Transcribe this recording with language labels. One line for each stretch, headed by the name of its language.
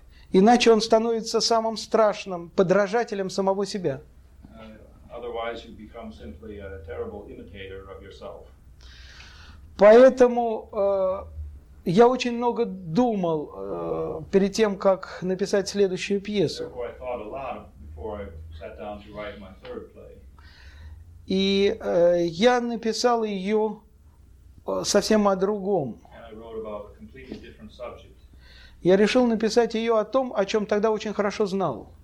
Russian: Иначе он становится самым страшным подражателем самого себя.
English: otherwise you become simply a terrible imitator of yourself.
Russian: Поэтому я очень много думал перед тем, как написать следующую пьесу.
English: Therefore, I thought a lot before I sat down to write my third play.
Russian: И я написал ее совсем о другом.
English: And I wrote about a completely different subject.
Russian: Я решил написать ее о том, о чем тогда очень хорошо знал.